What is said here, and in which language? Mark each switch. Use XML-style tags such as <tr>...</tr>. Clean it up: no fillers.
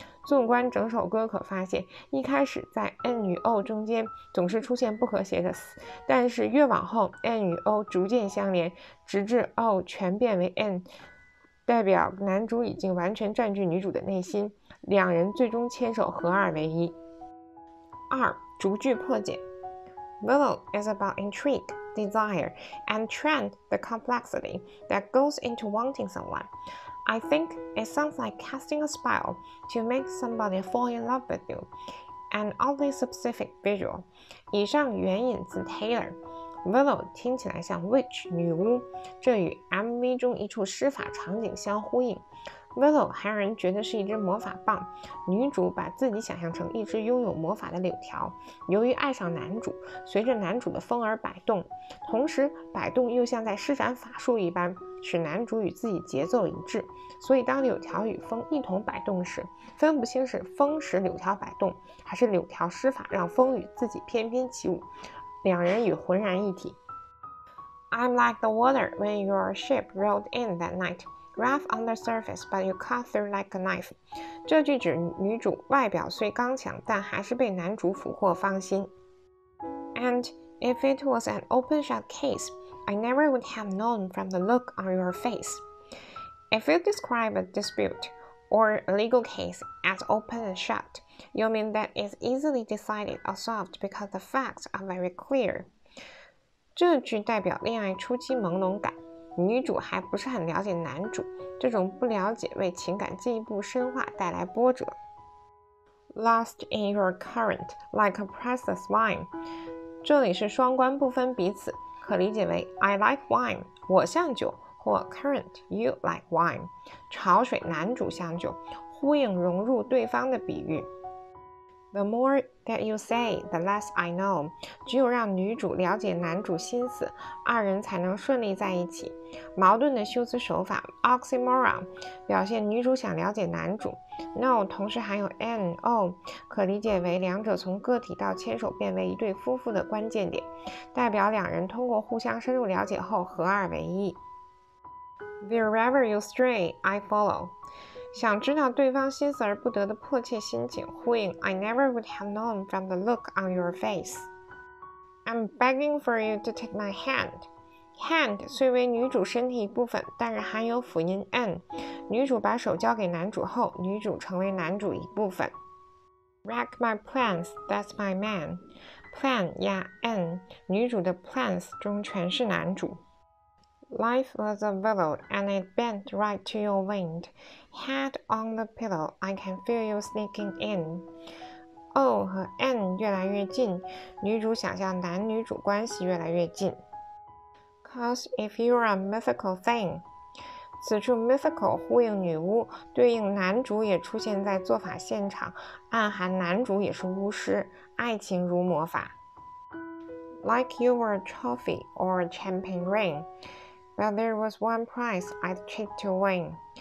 <zh>纵观整首歌，可发现一开始在 N 与 O 中间总是出现不和谐的 S， 但是越往后 N 与 O 逐渐相连，直至 O 全变为 N， 代表男主已经完全占据女主的内心，两人最终牵手合二为一。二、逐句破解。</zh> <en>Willow is about intrigue, desire, and trend the complexity that goes into wanting someone. I think it sounds like casting a spell to make somebody fall in love with you. An oddly specific visual.</en> <zh>以上援引自 Taylor. Willow 听起来像 witch 女巫，这与 MV 中一处施法场景相呼应。 Willow 还让人觉得是一只魔法棒，女主把自己想象成一只拥有魔法的柳条，由于爱上男主，随着男主的风而摆动，同时摆动又像在施展法术一般，使男主与自己节奏一致，所以当柳条与风一同摆动时，分不清是风使柳条摆动，还是柳条施法让风与自己翩翩起舞，两人已浑然一体。</zh> <en>I'm like the water when your ship rolled in that nightRough on the surface, but you cut through like a knife.</en> <zh>这句指女主外表虽刚强，但还是被男主俘获芳心。</zh> <en>And if it was an open shut case, I never would have known from the look on your face. If you describe a dispute or a legal case as open and shut, you mean that it's easily decided or solved because the facts are very clear.</en> <zh>这句代表恋爱初期朦胧感，女主还不是很了解男主，这种不了解为情感进一步深化带来波折。</zh> <en>Lost in your current, like a precious wine.</en> <zh>这里是双关不分彼此，可理解为</zh> <en>I like wine,</en> <zh>我像酒，或 current, you like wine, 潮水男主像酒，呼应融入对方的比喻。</zh> <en>The more that you say, the less I know.</en> <zh>只有让女主了解男主心思，二人才能顺利在一起。矛盾的修辞手法 oxymoron 表现女主想了解男主。 No 同时含有 n o， 可理解为两者从个体到牵手变为一对夫妇的关键点，代表两人通过互相深入了解后合二为一。</zh> <en>Wherever you stray, I follow.</en> <zh>想知道对方心思而不得的迫切心情，呼应</zh> <en>I never would have known from the look on your face. I'm begging for you to take my hand.</en> <zh>Hand 虽为女主身体一部分，但是含有辅音 n， 女主把手交给男主后，女主成为男主一部分。</zh> <en>Wreck my plans, that's my man.</en> <zh>Plan 押 n， 女主的 plans 中全是男主。</zh> <en>Life was a willow, and it bent right to your wind. Head on the pillow, I can feel you sneaking in.</en> <zh>O 和 N 越来越近，女主想象男女主关系越来越近。</zh> <en>Cause if you're a mythical thing,</en> <zh>此处 mythical 呼应女巫，对应男主也出现在做法现场，暗含男主也是巫师，爱情如魔法。</zh> <en>Like you were a trophy or a champion ring. But there was one prize I'd cheat to win.</en>